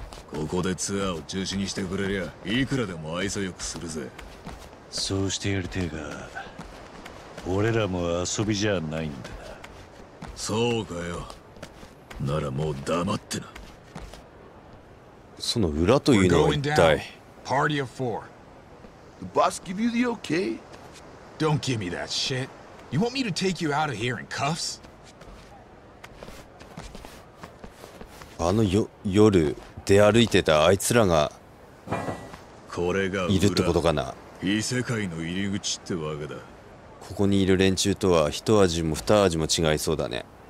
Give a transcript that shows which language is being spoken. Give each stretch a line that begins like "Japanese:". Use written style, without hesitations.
Japanese: ここでツアーを中止にしてくれりゃいくらでも愛想よくするぜ。そうしてやりてえが、俺らも遊びじゃないんだな。そうかよ、ならもう黙ってな。その裏というのは一体？パーティーオフ 4。
English: The boss give you the okay? Don't give me that shit. You want me to take you out of here in cuffs?
Japanese: あの夜出歩いてたあいつらがこれがいるってことかな。異世界の入り口ってわけだ。ここにいる連中とは一味も二味も違いそうだね。